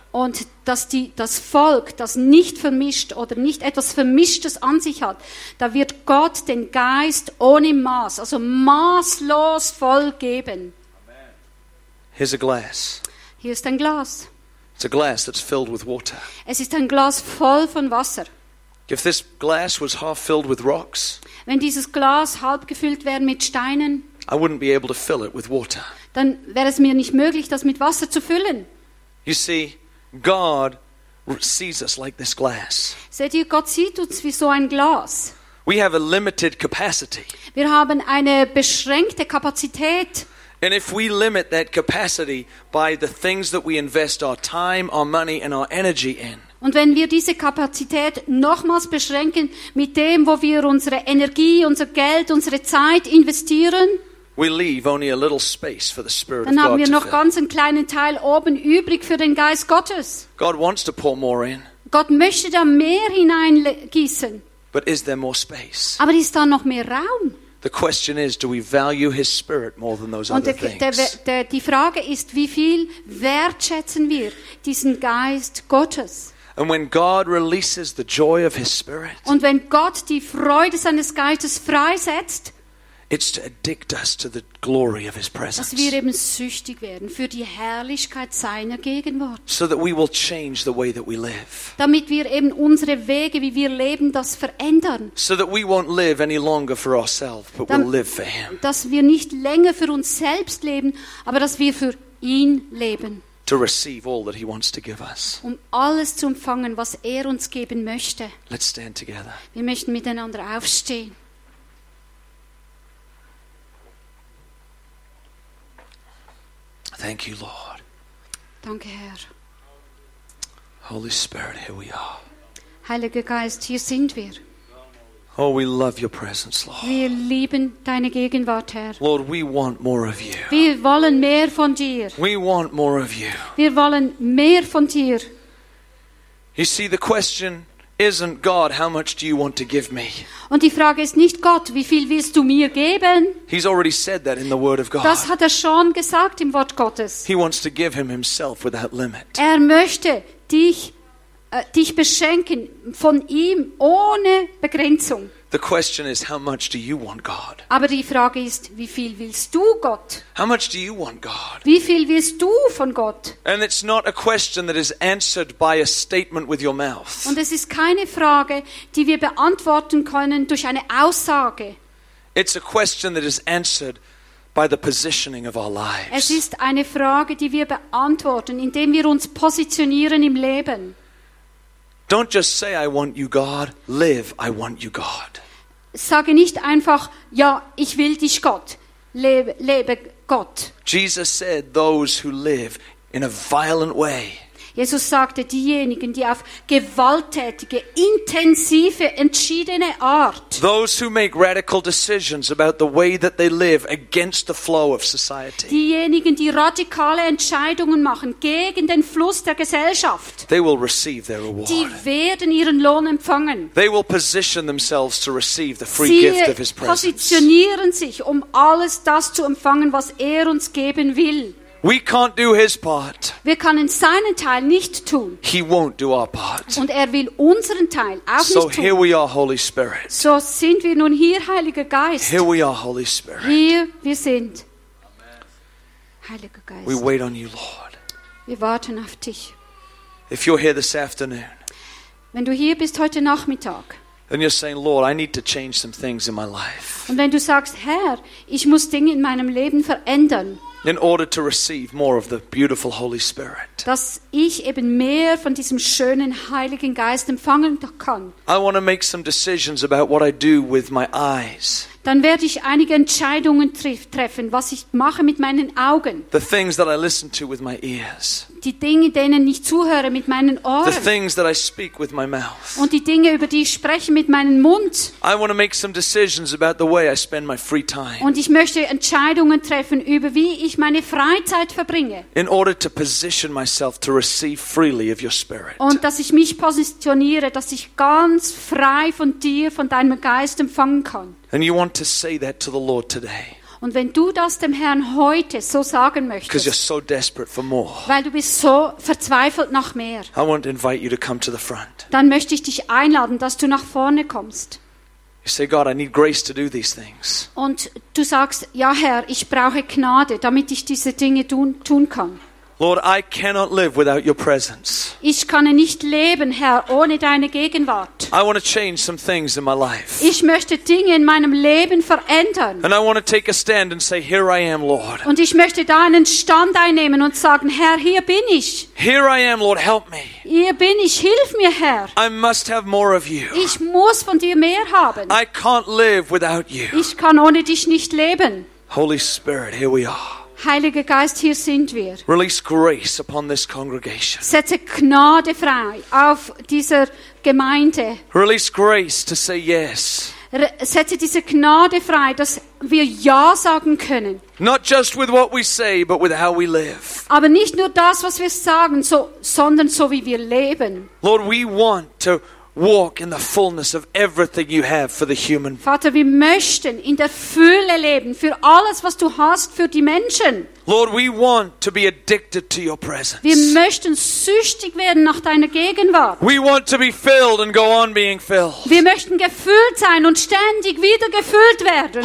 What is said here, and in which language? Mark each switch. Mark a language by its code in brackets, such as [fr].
[de] Und das Volk, das nicht vermischt oder nicht etwas Vermischtes an sich hat, da wird Gott den Geist ohne Maß, also maßlos voll geben. [en] Here's a glass. [de] Hier ist ein Glas. [en] It's a glass that's filled with water. [de] Es ist ein Glas voll von Wasser. [en] If this glass was half filled with rocks, [de] wenn dieses Glas halb gefüllt wäre mit Steinen, [en] I wouldn't be able to fill it with water. [de] Dann wäre es mir nicht möglich, das mit Wasser zu füllen. [en] You see, God sees us like this glass. [de] Seht ihr, Gott sieht uns wie so ein Glas. [en] We have a limited capacity. [de] Wir haben eine beschränkte Kapazität. [en] And if we limit that capacity by the things that we invest our time, our money and our energy in. [de] Und wenn wir diese Kapazität nochmals beschränken mit dem, wo wir unsere Energie, unser Geld, unsere Zeit investieren, [en] we leave only a little space for the Spirit of God. [de] Dann haben wir noch ganz einen kleinen Teil oben übrig für den Geist Gottes. [en] God wants to pour more in. [de] Gott möchte da mehr hineingießen. [en] But is there more space? [de] Aber ist da noch mehr Raum? [en] The question is, do we value his Spirit more than those other things? [de] Die Frage ist, wie viel wertschätzen wir diesen Geist Gottes? [en] And when God releases the joy of his Spirit, [de] und wenn Gott die Freude seines Geistes freisetzt, [en] it's to addict us to the glory of his presence. [de] Dass wir eben süchtig werden für die Herrlichkeit seiner Gegenwart. [en] So that we will change the way that we live. [de] Damit wir eben unsere Wege, wie wir leben, das verändern. [en] So that we won't live any longer for ourselves, but we'll live for him. [de] Dass wir nicht länger für uns selbst leben, aber dass wir für ihn leben. [en] To receive all that he wants to give us. [de] Um alles zu empfangen, was uns geben möchte. [en] Let's stand together. [de] Wir möchten miteinander aufstehen. [en] Thank you, Lord. [de] Danke, Herr. [en] Holy Spirit, here we are. [de] Heiliger Geist, hier sind wir. [en] Oh, we love your presence, Lord. [de] Wir lieben deine Gegenwart, Herr. [en] Lord, we want more of you. [de] Wir wollen mehr von dir. [en] We want more of you. [de] Wir wollen mehr von dir. [en] You see, the question isn't God, how much do you want to give me? [de] Und die Frage ist nicht Gott, wie viel willst du mir geben? [en] He's already said that in the Word of God. [de] Das hat schon gesagt im Wort Gottes. [en] He wants to give him himself without limit. [de] Möchte dich beschenken von ihm ohne Begrenzung. [en] The question is, how much do you want God? [de] Aber die Frage ist, wie viel willst du Gott? [en] How much do you want God? [de] Wie viel willst du von Gott? [en] And it's not a question that is answered by a statement with your mouth. [de] Und es ist keine Frage, die wir beantworten können durch eine Aussage. [en] It's a question that is answered by the positioning of our lives. [de] Es ist eine Frage, die wir beantworten, indem wir uns positionieren im Leben. [en] Don't just say, I want you, God. Live, I want you, God. [de] Sage nicht einfach, ja, ich will dich, Gott. Lebe Gott. [en] Jesus said, those who live in a violent way. [de] Jesus sagte, diejenigen, die auf gewalttätige, intensive, entschiedene Art. [en] Those who make radical decisions about the way that they live against the flow of society. [de] Diejenigen, die radikale Entscheidungen machen gegen den Fluss der Gesellschaft. [en] They will receive their reward. [de] Die werden ihren Lohn empfangen. [en] They will position themselves to receive the free gift of His presence. [de] Sie positionieren sich, um alles das zu empfangen, was uns geben will. [en] We can't do His part. [de] Wir können seinen Teil nicht tun. [en] He won't do our part. [de] Und will unseren Teil auch so nicht tun. [en] Here we are, Holy Spirit. [de] So sind wir nun hier, Heiliger Geist. [en] Here we are, Holy Spirit. [de] Hier wir sind. Heiliger Geist. [en] We wait on you, Lord. [de] Wir warten auf dich. [en] If you're here this afternoon, [de] wenn du hier bist heute Nachmittag, [en] and you're saying, Lord, I need to change some things in my life. [de] Und wenn du sagst, Herr, ich muss Dinge in meinem Leben verändern. [en] In order to receive more of the beautiful Holy Spirit. [de] Dass ich eben mehr von diesem schönen Heiligen Geist empfangen kann. [en] I want to make some decisions about what I do with my eyes. [de] Dann werde ich einige Entscheidungen treffen, was ich mache mit meinen Augen. [en] The things that I listen to with my ears. [de] Die Dinge, denen ich zuhöre mit meinen Ohren. [en] The things that I speak with my mouth. [de] Und die Dinge, über die ich spreche mit meinem Mund. [en] I want to make some decisions about the way I spend my free time. [de] Und ich möchte Entscheidungen treffen, über wie ich meine Freizeit verbringe. [en] In order to position myself to receive freely of your Spirit. [de] Und dass ich mich positioniere, dass ich ganz frei von dir, von deinem Geist empfangen kann. [en] And you want to say that to the Lord today. [de] Und wenn du das dem Herrn heute so sagen möchtest. [en] Because you're so desperate for more. [de] Weil du bist so verzweifelt nach mehr. [en] I want to invite you to come to the front. [de] Dann möchte ich dich einladen, dass du nach vorne kommst. [en] You say, God, I need grace to do these things. [de] Und du sagst, ja Herr, ich brauche Gnade, damit ich diese Dinge tun kann. [en] Lord, I cannot live without your presence. [de] Ich kann nicht leben, Herr, ohne deine Gegenwart. [en] I want to change some things in my life. [de] Ich möchte Dinge in meinem Leben verändern. [en] And I want to take a stand and say, here I am, Lord. [de] Und ich möchte da einen Stand einnehmen und sagen, Herr, hier bin ich. [en] Here I am, Lord, help me. [de] Hier bin ich, hilf mir, Herr. [en] I must have more of you. [de] Ich muss von dir mehr haben. [en] I can't live without you. [de] Ich kann ohne dich nicht leben. [en] Holy Spirit, here we are. [de] Heiliger Geist, hier sind wir. [en] Release grace upon this congregation. [de] Setze Gnade frei auf dieser Gemeinde. [en] Release grace to say yes. [de] Setze diese Gnade frei, dass wir ja sagen können. [en] Not just with what we say, but with how we live. [de] Aber nicht nur das, was wir sagen, sondern so wie wir leben. [en] Lord, we want to walk in the fullness of everything you have for the human. [de] Vater, wir möchten in der Fülle leben für alles, was du hast für die Menschen. [en] Lord, we want to be addicted to your presence. [de] Wir möchten süchtig werden nach deiner Gegenwart. [en] We want to be filled and go on being filled. [de] Wir möchten gefüllt sein und ständig wieder gefüllt werden.